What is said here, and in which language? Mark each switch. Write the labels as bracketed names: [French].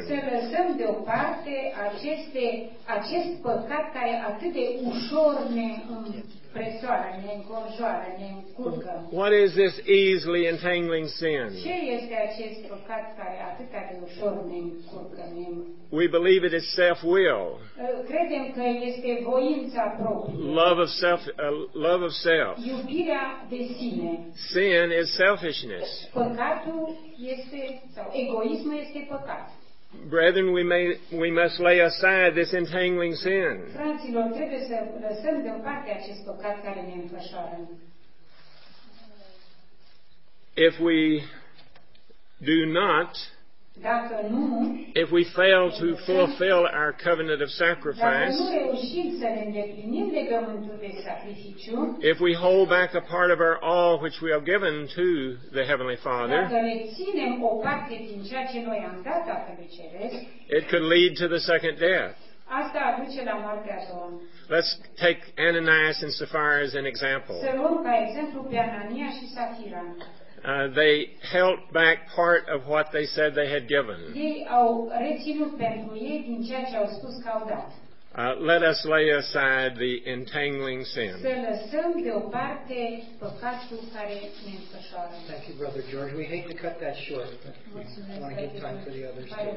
[Romanian] Să lăsăm deoparte acest păcat care atât de ușor ne presoară, ne înconjoară, ne încurcă. [English] What is this easily entangling sin? [Romanian] Ce este acest păcat care atât de ușor ne încurcă? [English] We believe it is self-will. [Romanian] Credem că este voința proprie. [English] Love of self. [Romanian] Iubirea de sine. [English] Sin is selfishness. [Romanian] Păcatul este, sau egoismul este păcat. [English] Brethren, we must lay aside this entangling sin. [Romanian] Fraților, trebuie să lăsăm deoparte acest păcat care ne înfășoară. [English] If we do not, [Romanian] dacă nu, [English] if we fail to fulfill our covenant of sacrifice, [Romanian] dacă nu reușim să ne îndeplinim legământul de sacrificiu, [English] if we hold back a part of our all which we have given to the Heavenly Father, [Romanian] dacă ne ținem o parte din ceea ce noi am dat Tatălui Ceresc, [English] it could lead to the second death. [Romanian] Asta aduce la moartea a doua. [English] Let's take Ananias and Sapphira as an example. [Romanian] Să luăm ca exemplu pe Anania și Safira. [English] They held back part of what they said they had given. [Romanian] Ei au reținut pentru ei din ceea ce au spus că au dat. [English] Let us lay aside the entangling sin. [Romanian] Să lăsăm deoparte păcatul care ne înfășoară. [English] Thank you, Brother George. We hate to cut that short, but we want to give time for the others.